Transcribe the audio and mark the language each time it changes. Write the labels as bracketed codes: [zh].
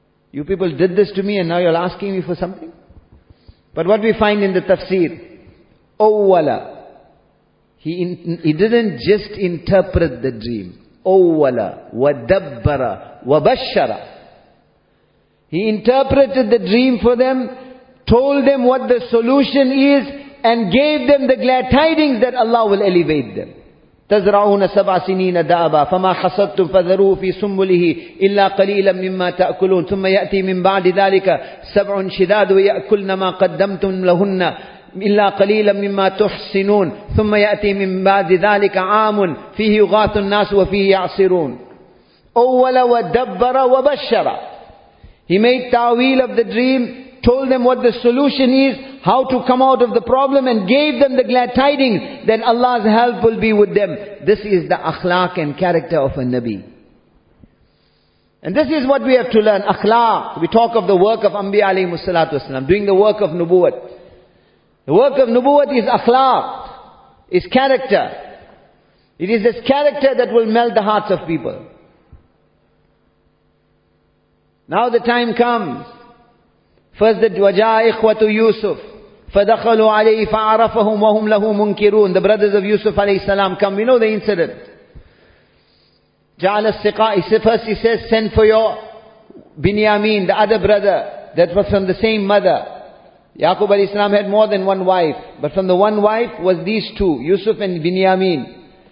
[en] You people did this to me and now you're asking me for something? But what we find in the tafsir, awwala, he didn't just interpret the dream. [ar] Awwala, wadabbara, wabashara. [en] He interpreted the dream for them, told them what the solution is, and gave them the glad tidings that Allah will elevate them. [ar] تَزْرَعُونَ سَبْعَ سِنِينَ دَعَبًا فَمَا خَصَدْتُمْ فَذَرُوا فِي سُمُّلِهِ إِلَّا قَلِيلًا مِّمَّا تَأْكُلُونَ ثُمَّ يَأْتِي مِنْ بَعْدِ ذَلِكَ سَبْعٌ شِدَادٌ وَيَأْكُلْنَ مَا قَدَّمْتُمْ لَهُنَّ إلا قليلا مما تحسنون ثم يأتي من بعد ذلك عام فيه يغاث الناس وفيه يعصرون. أول ودبر وبشر. [en] He made ta'wil of the dream, told them what the solution is, how to come out of the problem, and gave them the glad tidings that Allah's help will be with them. This is the akhlaq and character of a Nabi. And this is what we have to learn. Akhlaq. We talk of the work of Anbiya alayhi salatu wasalam, doing the work of Nubuwwat. The work of Nubuwwat is akhlaq, is character. It is this character that will melt the hearts of people. Now the time comes. First the [ar] وَجَاءَ إِخْوَةُ يُوسُفُ فَدَخَلُوا عَلَيْهِ فَعَرَفَهُمْ وَهُمْ لَهُ مُنْكِرُونَ. [en] The brothers of Yusuf alayhi salam come. We know the incident. [ar] جَعَلَ السِّقَاءِ. [en] First he says, send for your Binyamin, the other brother that was from the same mother. Yaqub alayhi salam had more than one wife. But from the one wife was these two, Yusuf and Binyamin.